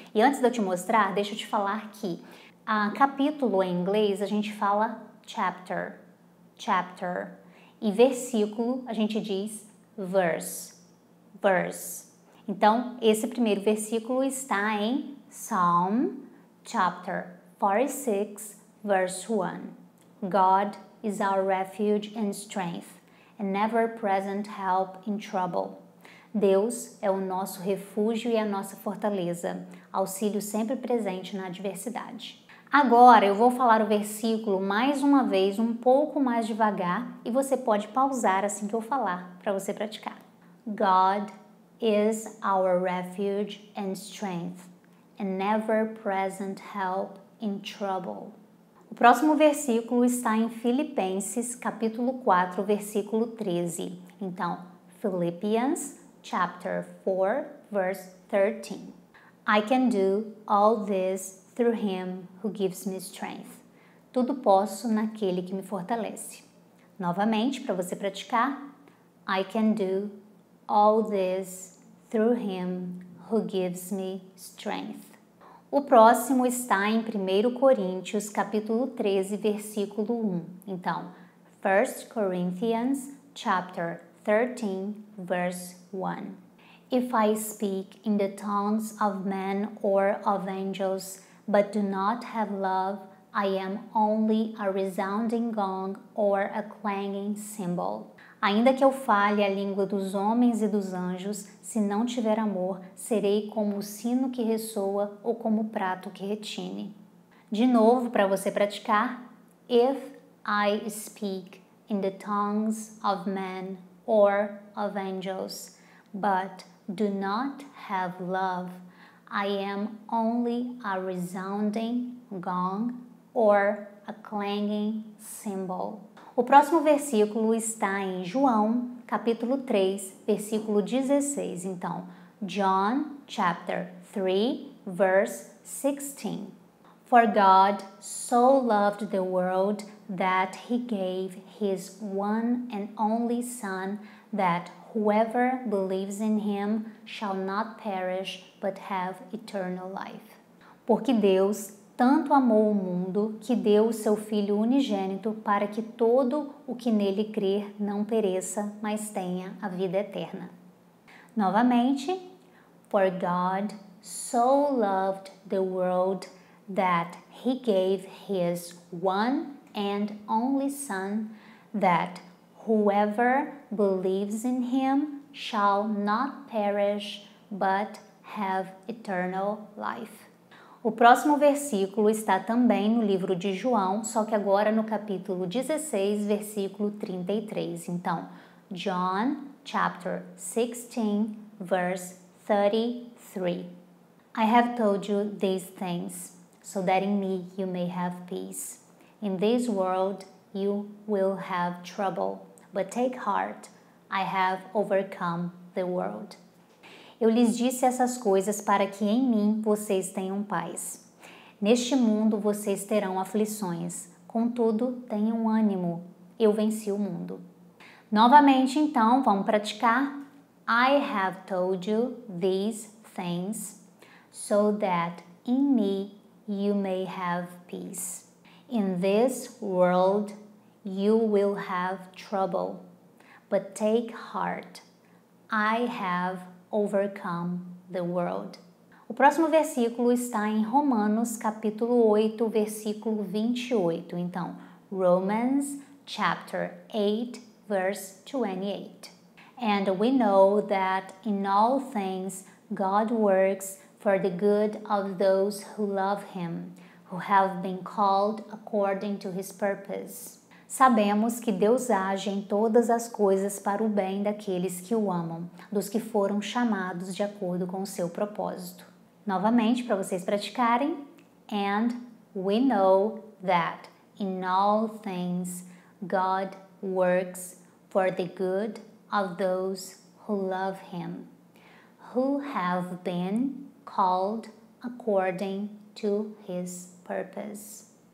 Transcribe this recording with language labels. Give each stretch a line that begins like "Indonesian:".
Portuguese: E antes de eu te mostrar, deixa eu te falar que a capítulo em inglês a gente fala chapter, chapter. E versículo, a gente diz verse, verse. Então, esse primeiro versículo está em
English: Psalm, chapter 46, verse 1. God is our refuge and strength, an ever-present help in trouble.
Portuguese: Deus é o nosso refúgio e a nossa fortaleza, auxílio sempre presente na adversidade. Agora eu vou falar o versículo mais uma vez, um pouco mais devagar, e você pode pausar assim que eu falar para você praticar.
English: God is our refuge and strength, an ever-present help in trouble.
Portuguese: O próximo versículo está em Filipenses, capítulo 4, versículo 13.
English: Então, Philippians, chapter 4, verse 13. I can do all this through Him who gives me strength.
Portuguese: Tudo posso naquele que me fortalece. Novamente, para você praticar,
English: I can do all this through Him who gives me strength.
Portuguese: O próximo está em 1 Coríntios, capítulo 13, versículo 1.
English: Então, 1 Corinthians, chapter 13, verse 1. If I speak in the tongues of men or of angels, but do not have love, I am only a resounding gong or a clanging cymbal.
Portuguese: Ainda que eu fale a língua dos homens e dos anjos, se não tiver amor, serei como o sino que ressoa ou como o prato que retine. De novo, para você praticar,
English: if I speak in the tongues of men or of angels, but do not have love, I am only a resounding gong or a clanging cymbal.
Portuguese: O próximo versículo está em João, capítulo 3, versículo 16.
English: Então, John, chapter 3, verse 16. For God so loved the world that he gave his one and only son, that whoever believes in him shall not perish, but have eternal life.
Portuguese: Porque Deus tanto amou o mundo, que deu o seu Filho unigênito, para que todo o que nele crer não pereça, mas tenha a vida eterna. Novamente,
English: for God so loved the world that he gave his one and only son, that whoever believes in him shall not perish, but have eternal life.
Portuguese: O próximo versículo está também no livro de João, só que agora no capítulo 16, versículo 33. Então,
English: John, chapter 16, verse 33. I have told you these things, so that in me you may have peace. In this world you will have trouble, but take heart, I have overcome the world.
Portuguese: Eu lhes disse essas coisas para que em mim vocês tenham paz. Neste mundo vocês terão aflições, contudo tenham ânimo, eu venci o mundo. Novamente então, vamos praticar.
English: I have told you these things, so that in me you may have peace. In this world you will have trouble, but take heart, I have overcome the world.
Portuguese: O próximo versículo está em Romanos capítulo 8, versículo 28.
English: Então, Romans chapter 8, verse 28. And we know that in all things God works for the good of those who love Him, who have been called according to His purpose.
Portuguese: Sabemos que Deus age em todas as coisas para o bem daqueles que o amam, dos que foram chamados de acordo com o seu propósito. Novamente, para vocês praticarem.
English: And we know that in all things God works for the good of those who love Him, who have been called according to His purpose.